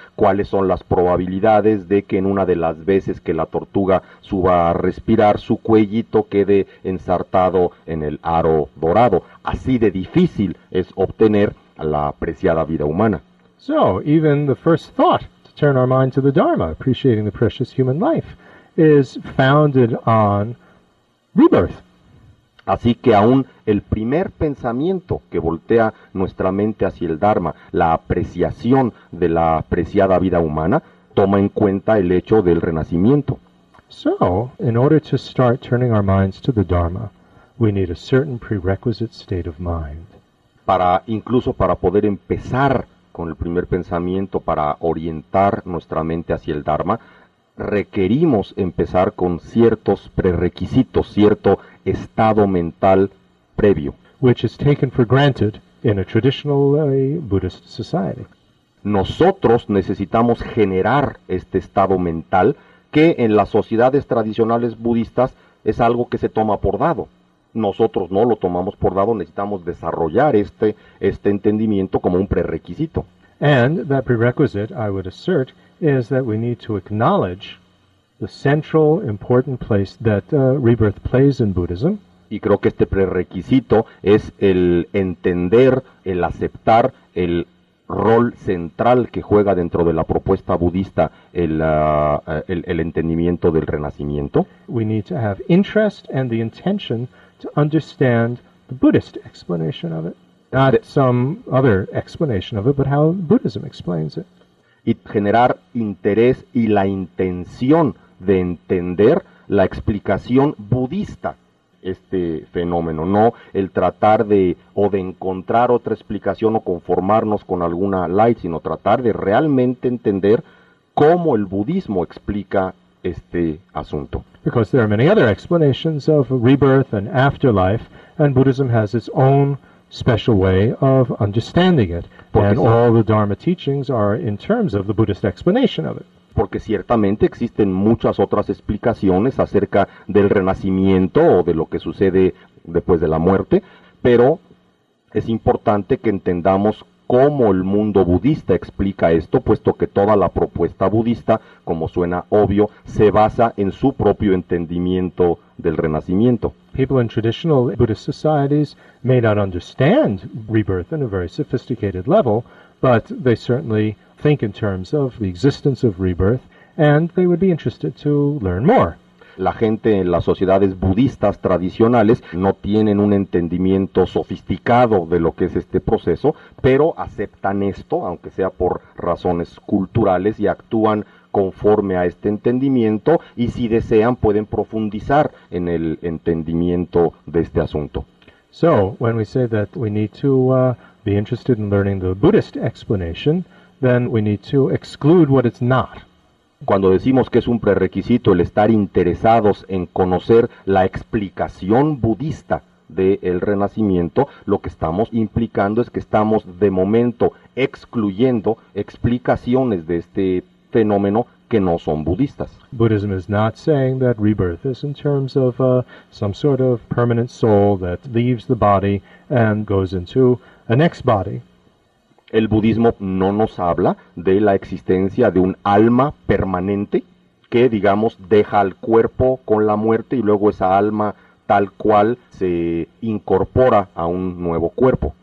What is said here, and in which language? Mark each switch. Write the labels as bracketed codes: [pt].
[es] ¿Cuáles son las probabilidades de que en una de las veces que la tortuga suba a respirar, su cuellito quede ensartado en el aro dorado? Así de difícil es obtener la apreciada vida humana. [en] So, even the first thought to turn our mind to the Dharma, appreciating the precious human life, is founded on rebirth. [es] Así que aún el primer pensamiento que voltea nuestra mente hacia el Dharma, la apreciación de la apreciada vida humana, toma en cuenta el hecho del renacimiento. [en] So, in order to start turning our minds to the Dharma, we need a certain prerequisite state of mind. [es] Para poder empezar con el primer pensamiento, para orientar nuestra mente hacia el Dharma, requerimos empezar con ciertos prerequisitos, cierto estado mental previo. [en] Which is taken for granted in a traditionally Buddhist society. [es] Nosotros necesitamos generar este estado mental que en las sociedades tradicionales budistas es algo que se toma por dado. Nosotros no lo tomamos por dado, necesitamos desarrollar este entendimiento como un prerequisito. [en] And that prerequisite, I would assert, is that we need to acknowledge the central important place that rebirth plays in Buddhism. [es] Y creo que este prerequisito es el entender, el aceptar el rol central que juega dentro de la propuesta budista el entendimiento del renacimiento. [en] We need to have interest and the intention to understand the Buddhist explanation of it. Not some other explanation of it, but how Buddhism explains it. [es] Y generar interés y la intención de entender la explicación budista este fenómeno, no el tratar de encontrar otra explicación o conformarnos con alguna light, sino tratar de realmente entender cómo el budismo explica este asunto. [en] Because there are many other explanations of rebirth and afterlife, and Buddhism has its own special way of understanding it. And all the Dharma teachings are in terms of the Buddhist explanation of it. [es] Porque ciertamente existen muchas otras explicaciones acerca del renacimiento o de lo que sucede después de la muerte, pero es importante que entendamos cómo el mundo budista explica esto, puesto que toda la propuesta budista, como suena obvio, se basa en su propio entendimiento del renacimiento. [en] People in traditional Buddhist societies may not understand rebirth in a very sophisticated level, but they certainly think in terms of the existence of rebirth, and they would be interested to learn more. [es] La gente en las sociedades budistas tradicionales no tienen un entendimiento sofisticado de lo que es este proceso, pero aceptan esto, aunque sea por razones culturales, y actúan conforme a este entendimiento, y si desean pueden profundizar en el entendimiento de este asunto. [en] So, when we say that we need to be interested in learning the Buddhist explanation, then we need to exclude what it's not. [es] Cuando decimos que es un prerequisito el estar interesados en conocer la explicación budista del renacimiento, lo que estamos implicando es que estamos de momento excluyendo explicaciones de este fenómeno que no son budistas. [en] Buddhism is not saying that rebirth is in terms of some sort of permanent soul that leaves the body and goes into a next body. [es] El budismo no nos habla de la existencia de un alma permanente que, digamos, deja al cuerpo con la muerte y luego esa alma tal cual se incorpora a un nuevo cuerpo.